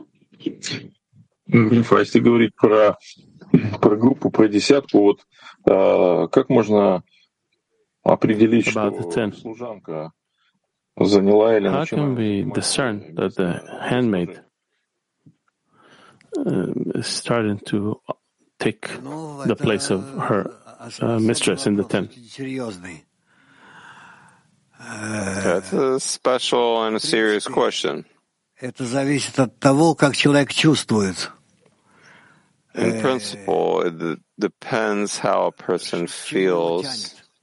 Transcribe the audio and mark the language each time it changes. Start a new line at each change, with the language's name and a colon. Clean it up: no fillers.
Russian: Если говорить про, про группу, про десятку, вот как можно определить, что служанка заняла или начала?
English: How can we discern that the handmaid is starting to take the place of her mistress in the tent? That's a special and a serious question.
Russian: Это зависит от того, как человек чувствует.
English: In principle, it depends how a person feels.